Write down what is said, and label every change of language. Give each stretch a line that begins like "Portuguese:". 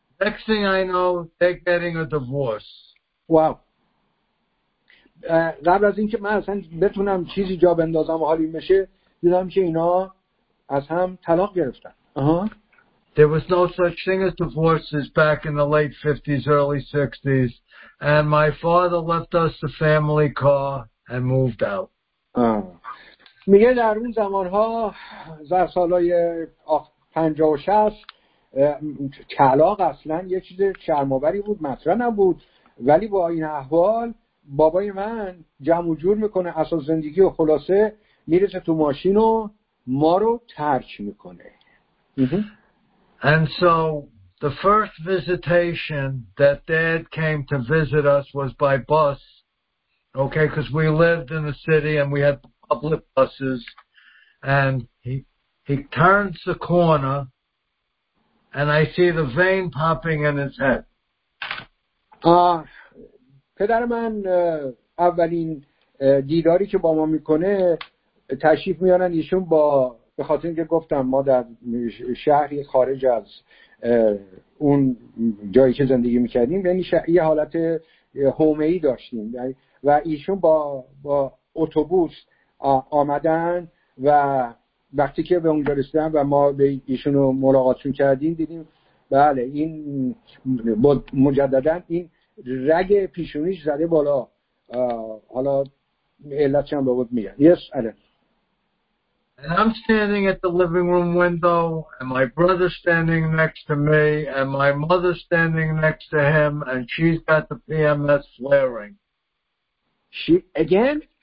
English: Next thing I know, they're getting a divorce. Wow.
Persian: قبل از اینکه من اصلا بتونم چیزی جا بندازم و حالی میشه، دیدم که اینا از هم طلاق گرفتن.
English: There was no such thing as divorces back in the late 50s, early 60s. And my father left us the family car and moved out.
Persian: میگه در اون زمانها، در سالهای 50 و 60، طلاق اصلا یه چیز شرم‌آوری بود، مطرح نبود، ولی با این احوال بابای من جمع و جور میکنه اساس زندگی و خلاصه میرسه تو ماشین و ما رو ترک میکنه.
English: And so the first visitation that dad came to visit us was by bus. Okay, because we lived in the city and we had public buses. And he turns the corner and I see the vein popping in his head.
Persian: پدر من اولین دیداری که با ما میکنه تشریف میارن ایشون با به خاطر اینکه گفتم ما در شهری خارج از اون جایی که زندگی میکردیم، یعنی شهری حالت هومه‌ای داشتیم و ایشون با اتوبوس آمدن و وقتی که به اونجا رسیدن و ما به ایشون رو ملاقاتشون کردیم، دیدیم بله این مجددن این رگ پیشونیش زده بالا. حالا علت چیم به بود میگن.
English: Yes, Alan. And I'm standing at the living room window and my brother standing next to me and my mother standing next to him and she's got the PMS flaring. She, again?